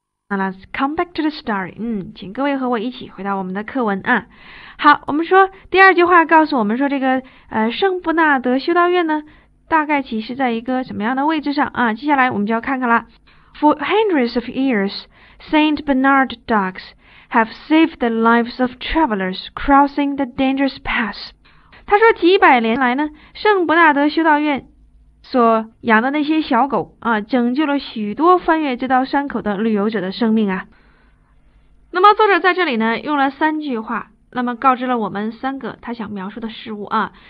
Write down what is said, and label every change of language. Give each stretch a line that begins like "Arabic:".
English: 那 let's come back to the story.
Chinese: 请各位和我一起回到我们的课文啊。好，我们说第二句话告诉我们说这个圣布纳德修道院呢，大概其实在一个什么样的位置上啊？接下来我们就要看看了。
English: For hundreds of years,St. Bernard dogs have saved the lives of travelers crossing the dangerous pass.
Chinese: 他说几百年来呢，圣伯纳德修道院所养的那些小狗啊，拯救了许多翻越这道山口的旅游者的生命啊。那么作者在这里呢，用了三句话，那么告知了我们三个他想描述的事物啊。